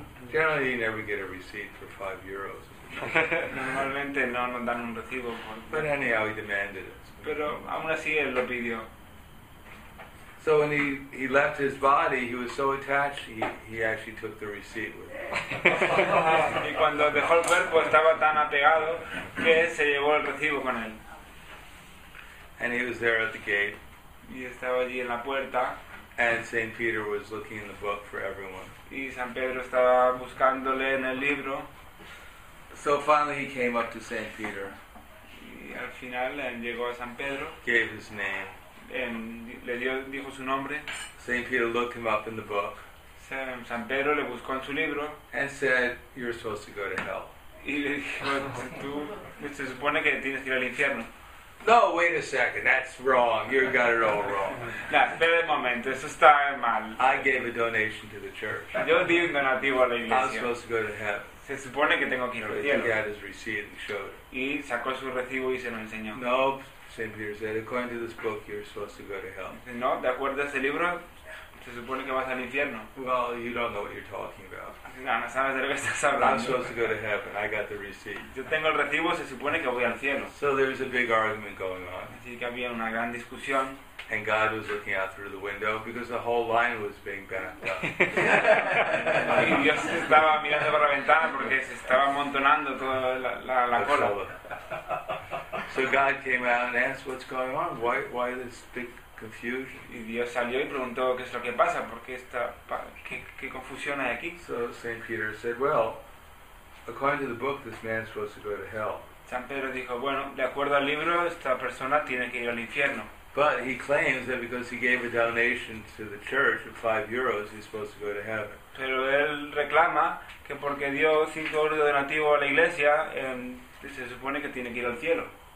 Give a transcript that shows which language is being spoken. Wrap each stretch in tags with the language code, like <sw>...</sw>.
<en>Generally, you never get a receipt for 5 euros.</en> <es>Normalmente no nos dan un recibo.</es> <en>But anyhow, he demanded it.</en> <es>Pero aún así él lo pidió.</es> <en>So when he left his body, he was so attached, he actually took the receipt with him.</en> <es>Y cuando dejó el cuerpo estaba tan apegado que se llevó el recibo con él.</es> <en>And he was there at the gate.</en> <es>Y estaba allí en la puerta.</es> <en>And Saint Peter was looking in the book for everyone.</en> <es>Y San Pedro estaba buscándole en el libro.</es> <en>So finally he came up to Saint Peter.</en> <es>Y al final llegó a San Pedro.</es> <en>Gave his name.</en> <es>Dijo su nombre.</es> <en>Saint Peter looked him up in the book.</en> <es>San Pedro le buscó en su libro.</es> <en>And said, "You're supposed to go to hell."</en> <es>Y le dijo, tú se supone que tienes que ir al infierno.</es> <en>No, wait a second, that's wrong. You got it all wrong.</en> <es>No, espera un momento, eso está mal.</es> <en>I gave a donation to the church.</en> <es>Yo di un donativo a la iglesia.</es> <en>I'm supposed to go to heaven.</en> <es>Se supone que tengo que ir al cielo.</es> <en>He had his receipt and showed it.</en> <es>Y sacó su recibo y se lo enseñó.</es> <en>No, St. Peter said, according to this book, you're supposed to go to hell.</en> <es>No, de acuerdo a ese libro, se supone que vas al infierno.</es> <en>Well, you don't know what you're talking about.</en> <es>No, no sabes de lo que estás hablando.</es> <en>I'm supposed to go to heaven. I got the receipt.</en> <es>Yo tengo el recibo, se supone que voy al cielo.</es> <en>So there's a big argument going on.</en> <es>Así que había una gran discusión.</es> <en>And God was looking out through the window because the whole line was being backed up.</en> <es>Y Dios estaba mirando por la ventana porque se estaba amontonando toda la cola.</es> <en>So God came out and asked, "What's going on? Why this big confusion?"</en> <es>Y Dios salió y preguntó qué es lo que pasa, porque esta qué confusión hay aquí.</es> <en>So Saint Peter said, "Well, according to the book, this man's supposed to go to hell."</en> <es>San Pedro dijo, bueno, de acuerdo al libro, esta persona tiene que ir al infierno.</es> <en>But he claims that because he gave a donation to the church of 5 euros, he's supposed to go to heaven.</en> <es>Pero él reclama que porque dio 5 euros de donativo a la iglesia, se supone que tiene que ir al cielo.</es>